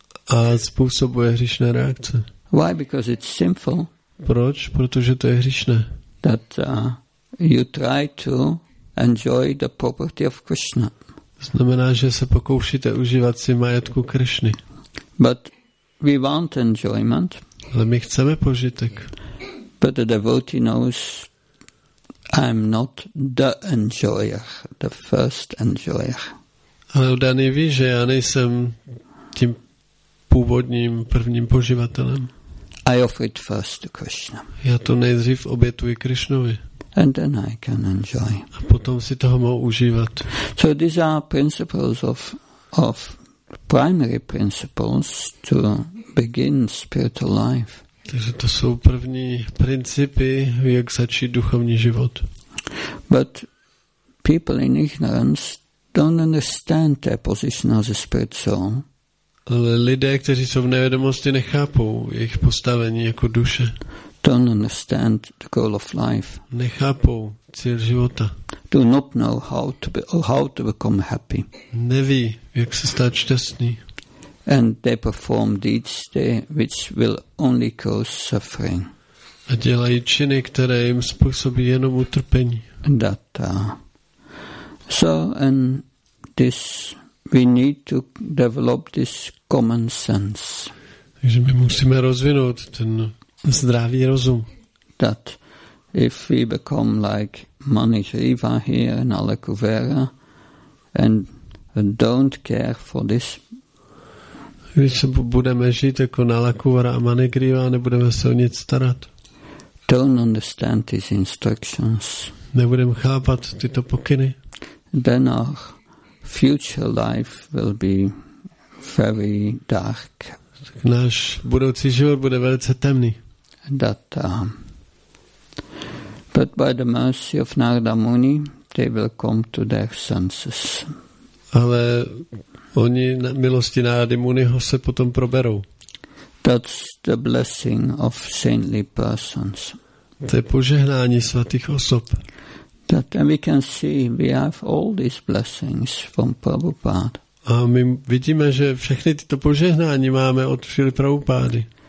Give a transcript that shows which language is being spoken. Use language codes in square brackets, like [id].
[cs] A způsobuje hříšné reakce. [en] Why? Because it's sinful. [cs] Proč? Protože to je hříšné. [en] That you try to enjoy the property of Krishna. [cs] Znamená, že se pokoušíte užívat si majetku Krishny. [en] But we want enjoyment. [cs] Ale my chceme požitek. [en] But the devotee knows I'm not the enjoyer, the first enjoyer. [cs] Ale udaný ví, že já nejsem tím původním prvním poživatelem. [en] I offer it first to Krishna. [cs] Já to nejdřív obětuji Krishnovi. [en] And then I can enjoy. [cs] A potom si toho mohu užívat. [en] So these are principles of primary principles to begin spiritual life. [cs] Takže to jsou první principy, jak začít duchovní život. [en] But people in ignorance don't understand their position as a spirit soul. [cs] Ale lidé, kteří jsou v nevědomosti, nechápou jejich postavení jako duše. [en] Don't understand the goal of life. [cs] Nechápou cíl života. [en] Do not know how to become happy. [cs] Neví, jak se stát šťastný. [en] and they perform deeds there which will only cause suffering. [cs] A dělají činy, které jim způsobí jenom utrpení. [en] That, so, and this, we need to develop this common sense. [cs] Takže my musíme rozvinout ten zdravý rozum. [en] That if we become like Manishriva here in Alakuvera and don't care for this. [cs] Když se budeme žít jako Nalakuvara a Manigriva, nebudeme se o nic starat. [en] Don't understand these instructions. [cs] Nebudeme chápat tyto pokyny. [en] Then our future life will be very dark. [cs] Tak náš budoucí život bude velice temný. [en] That, but by the mercy of Narada Muni, they will come to their senses. [cs] Ale oni na milosti Narada Muniho se potom proberou. [en] That's the blessing of saintly persons. [cs] To je požehnání svatých osob. [en] That, and we can see we have all these blessings from Prabhupada. [cs] A my vidíme, že všechny tyto požehnání máme od Šrily Prabhupády.